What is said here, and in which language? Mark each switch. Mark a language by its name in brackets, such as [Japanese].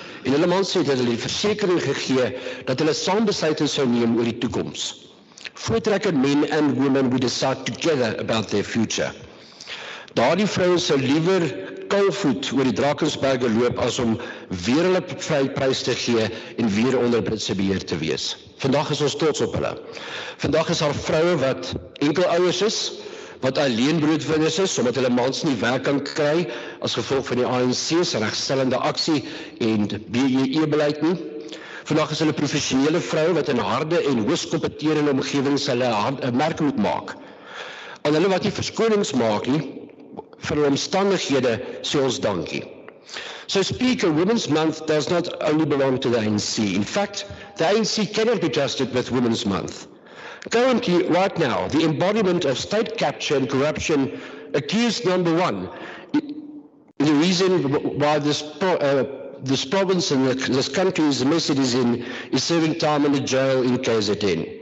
[Afrikaans] En hulle mans het hulle die versekering gegee dat hulle saam besluite sou neem oor die toekoms. [English] Voortrekker men and women would decide together about their future. [Afrikaans] Daardie vroue sou liewer kalvoet oor die Drakensberge loop as om weer hulle vryprys te gee en weer onder Britse beheer te wees. Vandag is ons trots op hulle. Vandag is haar vroue wat enkelouers is, wat alleen broodwinners is, omdat hulle mans nie werk kan kry as gevolg van die ANC se regstellende aksie en BEE-beleid nie. Vandag is hulle professionele vroue wat in harde en hoogs kompeterende omgewings hulle 'n merk moet maak. Aan hulle wat nie verskonings maak nie vir hulle omstandighede, sê ons dankie. [English] So Speaker, Women's Month does not only belong to the ANC. In fact, the ANC cannot be trusted with Women's Month. Currently, right now, the embodiment of state capture and corruption accused number one, the reason why this province and this country is a mess it is in, is serving time in the jail in KZN.